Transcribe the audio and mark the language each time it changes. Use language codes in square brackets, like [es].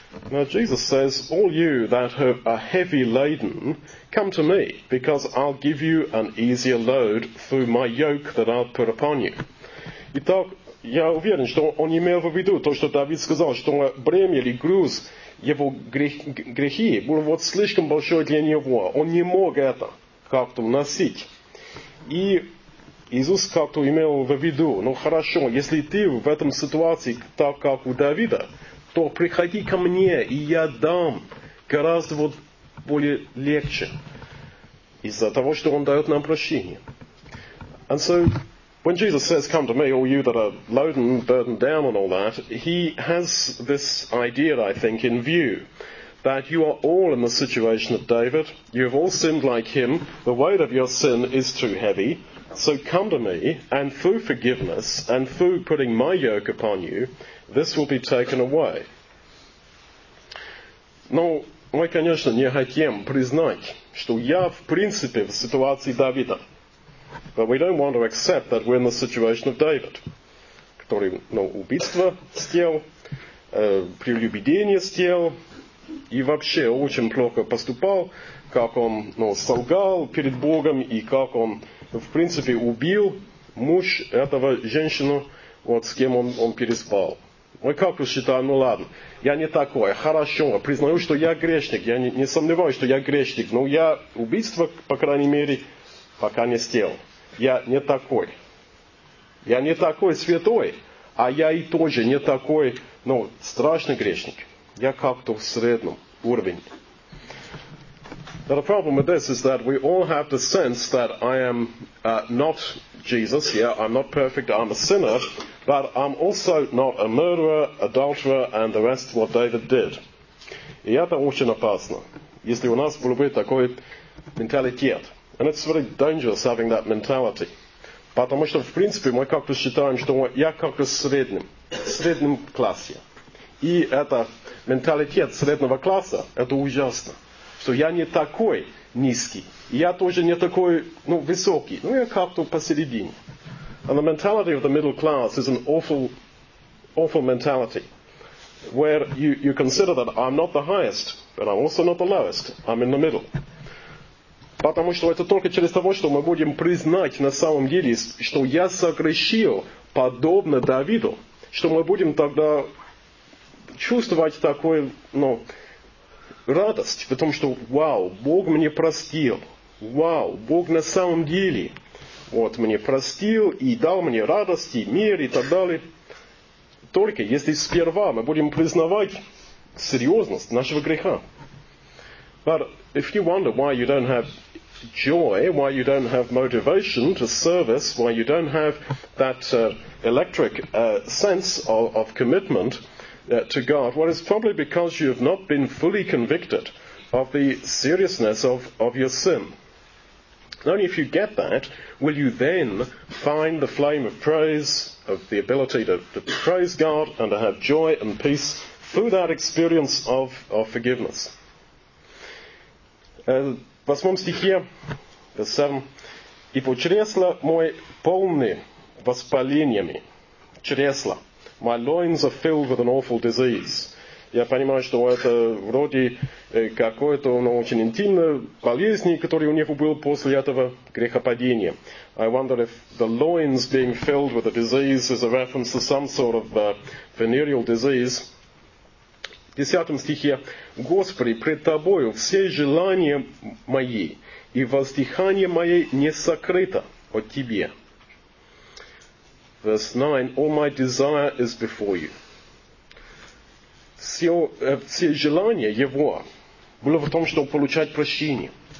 [en] Now Jesus says, all you that are heavy laden, come to me, because I'll give you an easier load through my yoke that I'll put upon you. [ru] Итак, я уверен, что он имел в виду то, что Давид сказал, что бремя или груз его грехи был вот слишком большой для него. Он не мог это как-то носить. И Иисус как-то имел в виду, ну хорошо, если ты в этом ситуации так, как у Давида, то приходи ко мне, и я дам гораздо вот более легче из-за того, что он дает нам прощение. [en] And so, when Jesus says, come to me, all you that are loaded and burdened down and all that, he has this idea, I think, in view, that you are all in the situation of David. You have all sinned like him. The weight of your sin is too heavy. So come to me, and through forgiveness, and through putting my yoke upon you, this will be taken away. [ru] Но мы, конечно, не хотим признать, что я, в принципе, в ситуации Давида. [en] But we don't want to accept that we're in the situation of David, [ru] который, ну, убийство сделал, прелюбодеяние сделал, и вообще очень плохо поступал, как он, ну, солгал перед Богом, и как он, в принципе, убил муж этого женщину, вот с кем он переспал. Мы как-то считаем, ну ладно, я не такой, хорошо, признаю, что я грешник, я не сомневаюсь, что я грешник, но я убийство, по крайней мере, пока не сделал. Я не такой. Я не такой святой, а я и тоже не такой, ну, страшный грешник. Я как-то в среднем уровне. [en] Now the problem with this is that we all have the sense that I am not Jesus, yeah, I'm not perfect, I'm a sinner, but I'm also not a murderer, adulterer, and the rest of what David did. [ru] И это очень опасно, если у нас было бы такой менталитет. [en] And it's very dangerous having that mentality. [ru] Потому что, в принципе, мы как-то считаем, что я как-то в среднем классе. И это менталитет среднего класса, это ужасно. Что я не такой низкий, я тоже не такой, ну, высокий, ну, я как-то посередине. [en] And the mentality of the middle class is an awful, awful mentality, where you consider that I'm not the highest, but I'm also not the lowest, I'm in the middle. [ru] Потому что это только через того, что мы будем признать на самом деле, что я согрешил подобно Давиду, что мы будем тогда чувствовать такой, ну, радость в том, что вау, Бог мне простил. Вау, Бог на самом деле вот мне простил и дал мне радость и мир и так далее. Только если сперва мы будем признавать серьезность нашего греха. [en] But if you wonder why you don't have joy, why you don't have motivation to service, why you don't have that electric sense of commitment to God, well, it's probably because you have not been fully convicted of the seriousness of your sin. Only if you get that, will you then find the flame of praise, of the ability to praise God and to have joy and peace through that experience of forgiveness. [ru] В 8 стихе, 7, «Ибо чресла мои полны воспалениями». [en] Чресла. «My loins are filled with an awful disease». [ru] Я понимаю, что это вроде какой-то, но очень интимной болезни, которая у него была после этого грехопадения. [en] I wonder if the loins being filled with a disease is a reference to some sort of venereal disease. [ru] В 10 стихе. «Господи, пред Тобою все желания мои и воздыхание мое не сокрыто от Тебе». [en] Verse 9. «All my desire is before You». [ru] Все желание его было в том, чтобы получать прощение.